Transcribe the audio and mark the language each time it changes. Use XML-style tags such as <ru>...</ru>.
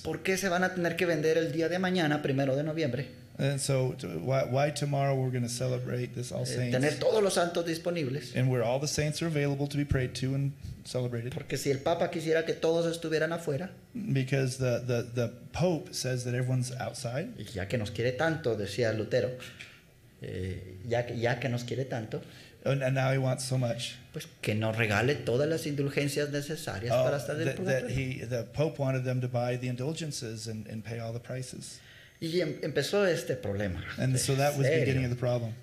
<es>¿Por qué se van a tener que vender el día de mañana, primero de noviembre?</es> <en>And so why tomorrow we're going to celebrate this All Saints?</en> <es>Tener todos los santos disponibles.</es> <en>And where all the saints are available to be prayed to and celebrated.</en> <es>Porque si el Papa quisiera que todos estuvieran afuera.</es> <en>Because the Pope says that everyone's outside.</en> <es>Y ya que nos quiere tanto, decía Lutero. Ya que nos quiere tanto.</es> <en>And now he wants so much.</en> <es>Pues que nos regale todas las indulgencias necesarias para estar del purgatorio.</es> <en>The Pope wanted them to buy the indulgences and pay all the prices.</en> <es>Y empezó este problema.</es> <en>And so that was the beginning of the problem.</en>